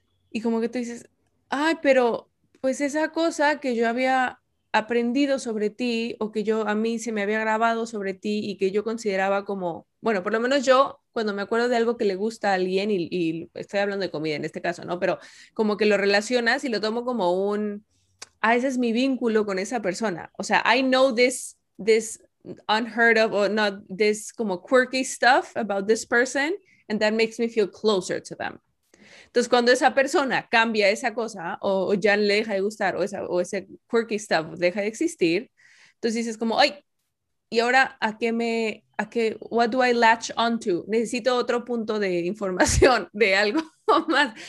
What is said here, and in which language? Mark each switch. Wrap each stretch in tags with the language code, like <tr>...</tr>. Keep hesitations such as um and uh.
<es>Y como que tú dices, ay, pero pues esa cosa que yo había aprendido sobre ti o que yo a mí se me había grabado sobre ti y que yo consideraba como, bueno, por lo menos yo cuando me acuerdo de algo que le gusta a alguien y, y estoy hablando de comida en este caso, ¿no? Pero como que lo relacionas y lo tomo como un, ah, ese es mi vínculo con esa persona. O sea,</es> <en>I know this, this unheard of or not this como quirky stuff about this person and that makes me feel closer to them.</en> <es>Entonces, cuando esa persona cambia esa cosa o, o ya le deja de gustar o, esa, o ese quirky stuff deja de existir, entonces dices como, ay, ¿y ahora a qué me, a qué,</es> <en>what do I latch onto?</en> <es>Necesito otro punto de información, de algo más.</es>